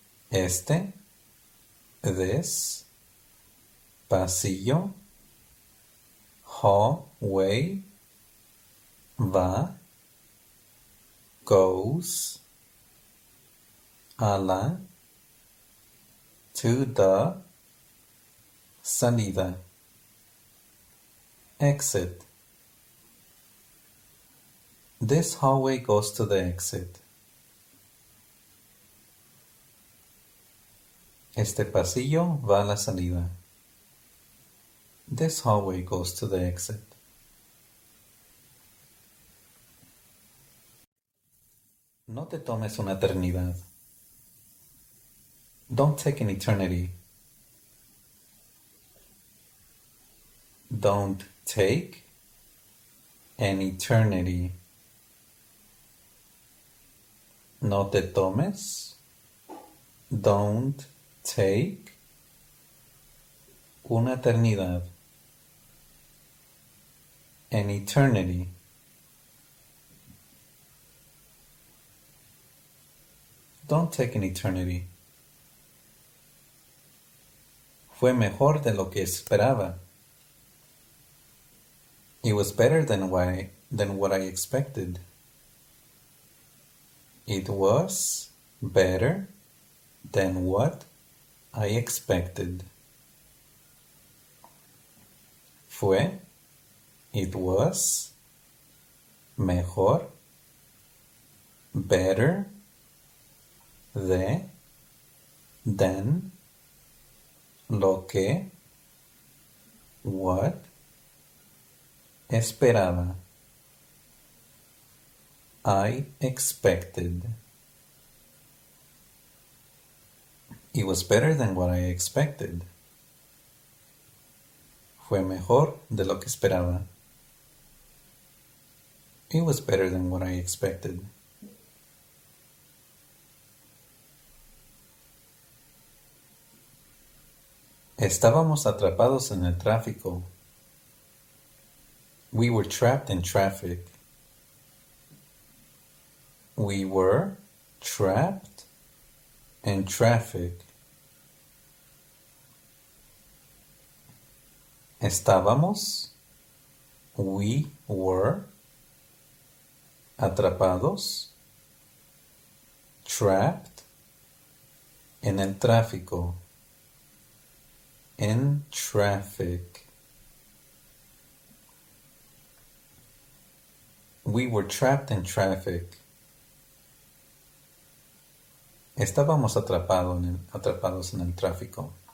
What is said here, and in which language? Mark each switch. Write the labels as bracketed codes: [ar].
[es] Este, [en] this, [es] pasillo, [en] hallway, [es] va, [en] goes, [es] a la, [en] to the, [es] salida. [en] Exit. This hallway goes to the exit. [es] Este pasillo va a la salida. [en] This hallway goes to the exit. [es] No te tomes una eternidad. [en] Don't take an eternity. Don't take an eternity. [es] No te tomes. [en] Don't take [es] una eternidad. [en] An eternity. Don't take an eternity. [es] Fue mejor de lo que esperaba. [en] It was better than what I expected. It was better than what I expected. [es] Fue, [en] it was, [es] mejor, [en] better, [es] de, [en] then, [es] lo que, [en] what, [es] esperaba, [en] I expected. It was better than what I expected. [es] Fue mejor de lo que esperaba. [en] It was better than what I expected. [es] Estábamos atrapados en el tráfico. [en] We were trapped in traffic. We were trapped in traffic. [es] Estábamos, [en] we were, [es] atrapados, [en] trapped, [es] en el tráfico, [en] in traffic. We were trapped in traffic. [es] Estábamos atrapados en el tráfico.